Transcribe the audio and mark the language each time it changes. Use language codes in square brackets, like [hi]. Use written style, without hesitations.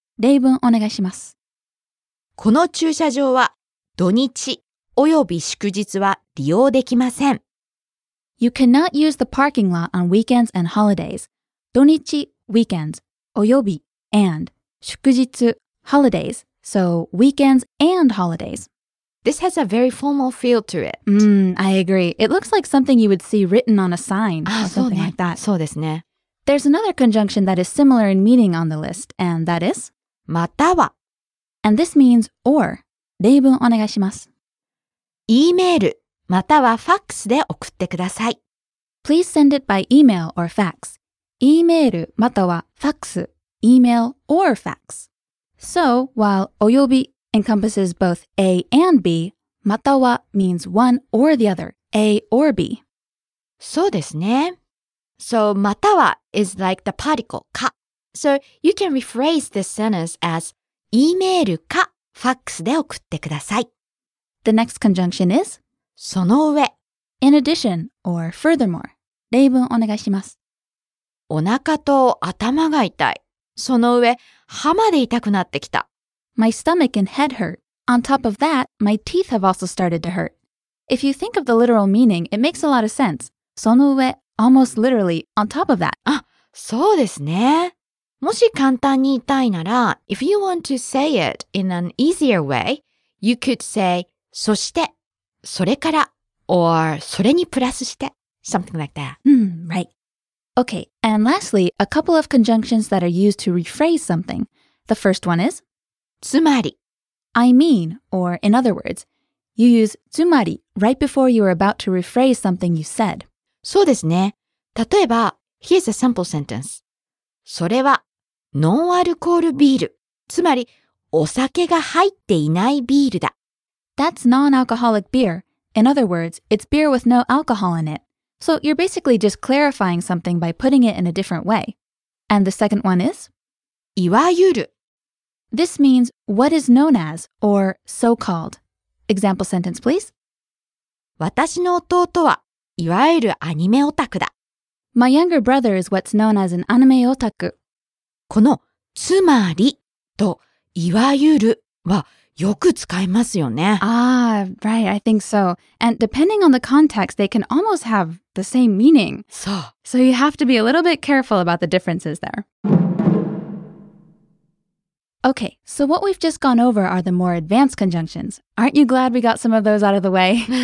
[ja] 例文お願いします。この駐車場は土日および祝日は利用できません。 [en] You cannot use the parking lot on weekends and holidays. 土日 weekends, および and 祝日 holidays, so weekends and holidays. This has a very formal feel to it. I agree. It looks like something you would see written on a sign or something like that. [ja] そうですね。 [en] There's another conjunction that is similar in meaning on the list, and that is? [ja] または。 [en] And this means or. [ja] 例文お願いします。 E-mail またはファックスで送ってください。 [en] Please send it by email or fax. [ja] E-mail またはファックス。 [en] E-mail or fax. So, while および encompasses both A and B, または means one or the other, A or B. [ja] そうですね。 [en] So, または is like the particle, か。 So, you can rephrase this sentence as, [ja] E メールか、ファックスで送ってください。 [en] The next conjunction is, [ja] その上。 [en] In addition, or furthermore. [ja] 例文お願いします。お腹と頭が痛い。その上、歯まで痛くなってきた。 [en] My stomach and head hurt. On top of that, my teeth have also started to hurt. If you think of the literal meaning, it makes a lot of sense. その上, almost literally, on top of that. [ja] あ、そうですね。もし簡単に言いたいなら、 [en] if you want to say it in an easier way, you could say, [ja] そして、それから、 [en] or [ja] それにプラスして、 [en] something like that. Right. Okay, and lastly, a couple of conjunctions that are used to rephrase something. The first one is, つまり I mean, or in other words, you use つまり right before you are about to rephrase something you said. [ja] そうですね。例えば、 [en] here's a simple sentence. [ja] それはノンアルコールビール。つまり、お酒が入っていないビールだ。 [en] That's non-alcoholic beer. In other words, it's beer with no alcohol in it. So you're basically just clarifying something by putting it in a different way. And the second one is? [ja] いわゆる。 [en] This means what is known as or so-called. Example sentence, please. [ja] 私の弟はいわゆるアニメオタクだ。 [en] My younger brother is what's known as an anime otaku. [ja] このつまりといわゆるはよく使いますよね。 [en] Ah, right, I think so. And depending on the context, they can almost have the same meaning. [ja] そう。 [en] So you have to be a little bit careful about the differences there. Okay, so what we've just gone over are the more advanced conjunctions. Aren't you glad we got some of those out of the way?